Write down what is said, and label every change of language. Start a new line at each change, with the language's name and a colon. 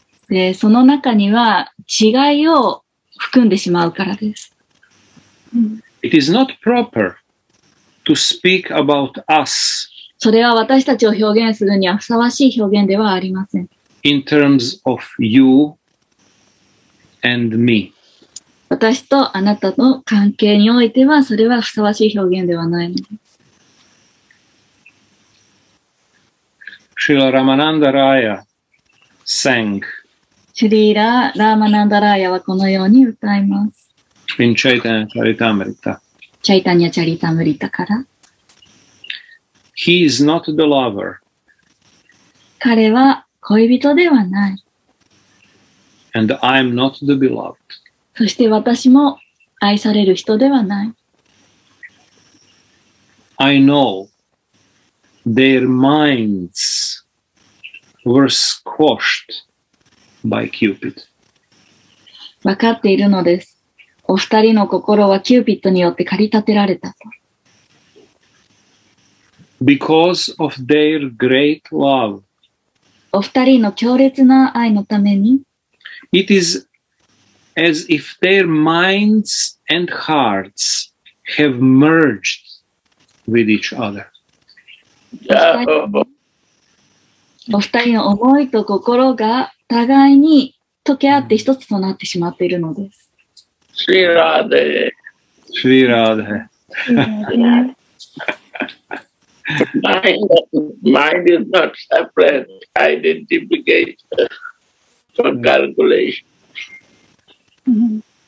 Japanese: で、その中には違いを含んでしまうからです。
English: It is not proper to speak about us.
Japanese: それは私たちを表現するにはふさわしい表現ではありません。
English: In terms of you and me.
Japanese: 私とあなたの関係においてはそれはふさわしい表現ではないのです
English: 。 シュラ・ラマナンダ・ラーヤ sang.
Japanese: シュリーラ・ラマナンダ・ラーヤはこのように歌います。
English: In Chaitanya Charitamrita.
Japanese: Chaitanya Charitamrita から。
English: He is not the lover.
Japanese: 彼は恋人ではない。
English: And I am not the beloved.
Japanese: そして私も愛される人ではない。
English: I know their minds were squashed by Cupid.
Japanese: わかっているのです。お二人の心はキューピッドによって駆り立てられたと。
English: Because of their great love.
Japanese: お二人の強烈な愛のために
English: It is as if their minds and hearts have merged with each other.
Japanese: お二人の思いと心が互いに溶け合って一つとなってしまっているのです。シーラーデー。シーラーデ
English: ー。 Mind is not separate identification from calculation.